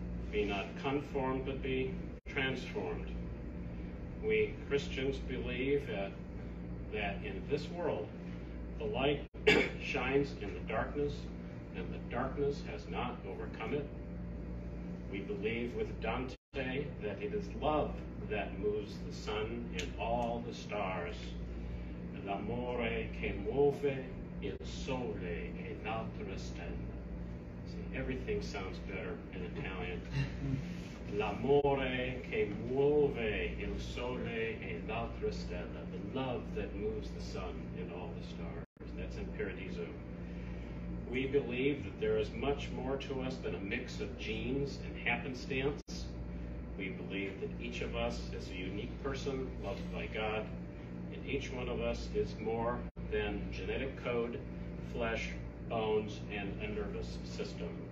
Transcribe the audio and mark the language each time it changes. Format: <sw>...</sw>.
<en>Be not conformed, but be transformed. We Christians believe that in this world, the light shines in the darkness, and the darkness has not overcome it. We believe with Dante that it is love that moves the sun and all the stars.</en> <it>L'amore che muove il sole e l'altra stella.</it> <en>See, everything sounds better in Italian.</en> <it>L'amore che muove il sole e l'altra stella.</it> <en>The love that moves the sun and all the stars. That's in Paradiso. We believe that there is much more to us than a mix of genes and happenstance. We believe that each of us is a unique person loved by God, and each one of us is more than genetic code, flesh, bones, and a nervous system.</en>